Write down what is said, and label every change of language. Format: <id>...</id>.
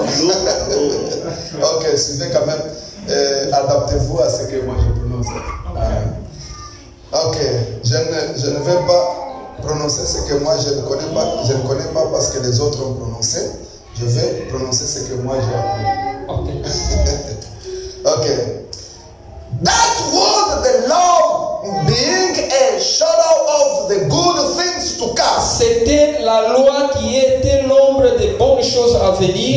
<fr>Ok, suivez quand même. Adaptez-vous à ce que moi je prononce. Ok, je ne vais pas prononcer ce que moi je ne connais pas. Je ne connais pas parce que les autres ont prononcé. Je vais prononcer ce que moi j'ai appris. Ok.</fr> <en>That was the law being a shadow of the good things to come.</en> <fr>C'était la loi qui était l'ombre des bonnes choses à venir.</fr>